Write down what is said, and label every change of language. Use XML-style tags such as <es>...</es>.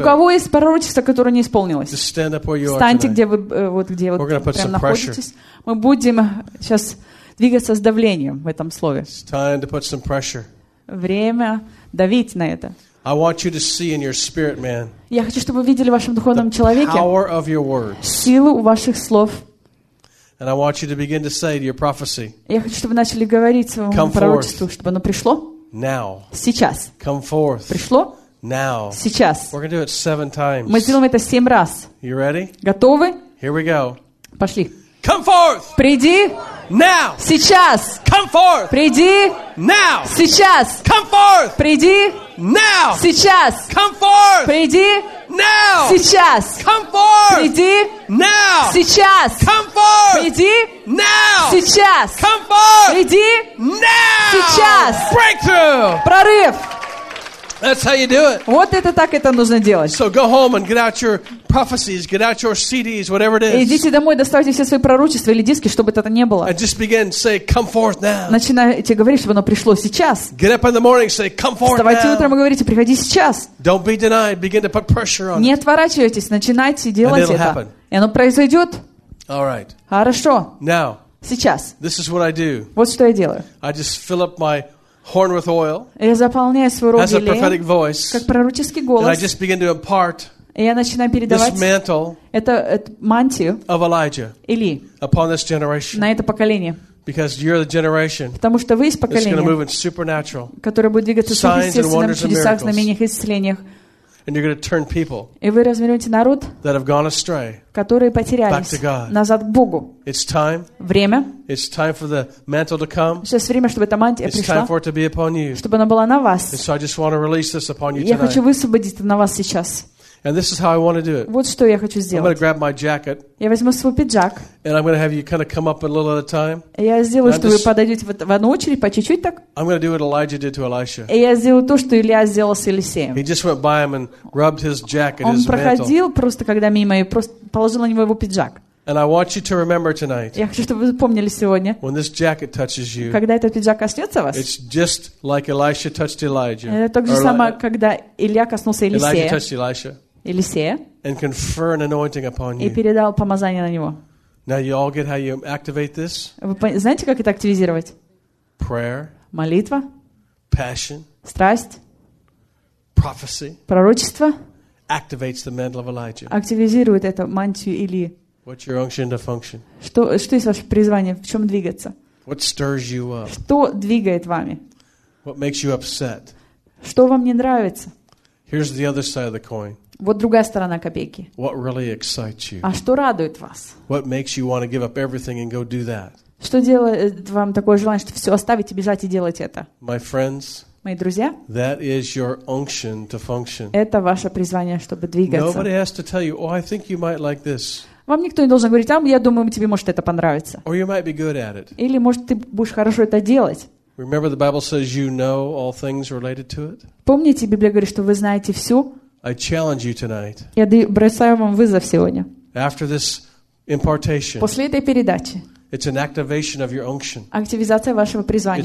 <ru>У кого есть пророчество, которое не исполнилось?</ru> <en>Just stand up where you are.</en> <ru>Встаньте, где вы, вот где вот прям находитесь.</ru> <en>Pressure.</en> <ru>Мы будем сейчас двигаться с давлением в этом слове.</ru> <en>It's time to put some pressure.</en> <ru>Время давить на это.</ru> <en>I want you to see in your spirit, man.</en> <ru>Я хочу, чтобы вы видели в вашем духовном человеке</ru> <en>power of your words.</en> <ru>Силу ваших слов.</ru> <en>And I want you to begin to say to your prophecy.</en> <ru>Я хочу, чтобы вы начали говорить своему пророчеству, чтобы оно пришло.</ru> <en>Now.</en> <ru>Сейчас.</ru> <en>Come forth.</en> <ru>Пришло.</ru> <en>Now.</en> <ru>Сейчас.</ru> <en>We're going to do it 7 times.</en> <ru>Мы сделаем это 7 раз.</ru> <en>You ready?</en> <ru>Готовы?</ru> <en>Here we go.</en> <ru>Пошли.</ru> <en>Come forth.</en> <ru>Приди.</ru> <en>Now.</en> <ru>Сейчас.</ru> <en>Come forth.</en> <ru>Приди.</ru> <en>Now.</en> <ru>Сейчас.</ru> <en>Come forth.</en> <ru>Приди.</ru> <en>Now.</en> <ru>Сейчас.</ru> <en>Come forth.</en> <ru>Приди.</ru> <en>Now.</en> <ru>Сейчас.</ru> <en>Come forth.</en> <ru>Приди.</ru> <en>Now.</en> <ru>Сейчас.</ru> <en>Come forth.</en> <ru>Приди.</ru> <en>Now.</en> <ru>Сейчас.</ru> <en>Come forth.</en> <ru>Приди.</ru> <en>Now.</en> <ru>Сейчас.</ru> <en>Breakthrough.</en> <ru>Прорыв.</ru> <en>That's how you do it.</en> <ru>Вот это так это нужно делать.</ru> <en>So go home and get out your prophecies, get out your CDs, whatever it is.</en> <ru>Идите домой, доставьте все свои пророчества или диски, чтобы это не было.</ru> <en>And just begin say, come forth now.</en> <ru>Начинайте говорить, чтобы оно пришло сейчас.</ru> <en>Get up in the morning, say, come forth now.</en> <ru>Вставайте утром и говорите, приходи сейчас.</ru> <en>Don't be denied, begin to put pressure on.</en> <ru>Не отворачивайтесь, начинайте делать</ru> <en>это. And it'll happen.</en> <ru>И оно произойдет.</ru> <en>All right.</en> <ru>Хорошо.</ru> <en>Now.</en> <ru>Сейчас.</ru> <en>This is what I do.</en> <ru>Вот что я делаю.</ru> <en>I just fill up my horn with oil.</en> <ru>Я заполняю свой рот елеем.</ru> <en>As a prophetic voice.</en> <ru>Как пророческий голос.</ru> <en>And I just begin to impart.</en> <ru>И я начинаю передавать</ru> <en>this mantle</en> <ru>это мантию</ru> <en>of Elijah</en> <ru>Ильи</ru> <en>upon this generation.</en> <ru>На это поколение.</ru> <en>Because you're the generation.</en> <ru>Потому что вы из поколения.</ru> <en>That's going to move in supernatural.</en> <ru>Которое будет двигаться сверхъестественным, чудесах, знамениях и исцелениях.</ru> <en>And you're going to turn people.</en> <ru>И вы развернете народ.</ru> <en>That have gone astray.</en> <ru>Которые потерялись.</ru> <en>Back to God.</en> <ru>Назад к Богу.</ru> <en>It's time.</en> <ru>Время.</ru> <en>It's time for the mantle to come.</en> <ru>Сейчас время, чтобы эта мантия пришла.</ru> <en>It's time for it to be upon you.</en> <ru>Чтобы она была на вас.</ru> <en>And so I just want to release this upon you</en> <ru>tonight. Я хочу высвободить это на вас сейчас.</ru> <en>And this is how I want to do it.</en> <ru>Вот что я хочу сделать.</ru> <en>I'm going to grab my jacket.</en> <ru>Я возьму свой пиджак.</ru> <en>And I'm going to have you kind of come up a little at a time.</en> <ru>Я сделаю, что вы подойдете в одну очередь, по чуть-чуть так.</ru> <en>I'm going to do what Elijah did to Elisha.</en> <ru>И я сделаю то, что Илия сделал с Елисеем.</ru> <en>He just went by him and rubbed his jacket, his mantle.</en> <ru>Он проходил просто, когда мимо, и просто положил на него его пиджак.</ru> <en>And I want you to remember tonight.</en> <ru>Я хочу, чтобы вы помнили сегодня.</ru> <en>When this jacket touches you.</en> <ru>Когда этот пиджак коснется вас.</ru> <en>It's just like Elisha touched Elijah.</en> <ru>Это так же самое, когда Илия коснулся Елисея.</ru> <en>Elijah touched Elisha.</en> <ru>Елисея,</ru> <en>and confer an anointing upon you.</en> <ru>И передал помазание на него.</ru> <en>Now you all get how you activate this?</en> <ru>Вы знаете, как это активизировать?</ru> <en>Prayer.</en> <ru>Молитва.</ru> <en>Passion.</en> <ru>Страсть.</ru> <en>Prophecy.</en> <ru>Пророчество.</ru> <en>Activates the mantle of Elijah.</en> <ru>Активизирует эту мантию Илии.</ru> <en>What's your unction to function?</en> <ru>Что есть ваше призвание? В чем двигаться?</ru> <en>What stirs you up?</en> <ru>Что двигает вами?</ru> <en>What makes you upset?</en> <ru>Что вам не нравится?</ru> <en>Here's the other side of the coin.</en> <ru>Вот другая сторона копейки.</ru> <en>What really excites you?</en> <ru>А что радует вас?</ru> <en>What makes you want to give up everything and go do that?</en> <ru>Что делает вам такое желание, что все оставить и бежать и делать это?</ru> <en>My friends,</en> <ru>мои друзья,</ru> <en>that is your unction to function.</en> <ru>Это ваше призвание, чтобы двигаться.</ru> <en>Nobody has to tell you, oh, I think you might like this.</en> <ru>Вам никто не должен говорить, а я думаю, тебе может это понравится.</ru> <en>Or you might be good at it.</en> <ru>Или может ты будешь хорошо это делать.</ru> <en>Remember, the Bible says you know all things related to it.</en> <ru>Помните, Библия говорит, что вы знаете все.</ru> <en>I challenge you tonight.</en> <ru>Я бросаю вам вызов сегодня.</ru> <en>After this impartation.</en> <ru>После этой передачи.</ru> <en>It's an activation of your unction.</en> <ru>Активизация вашего призвания.</ru>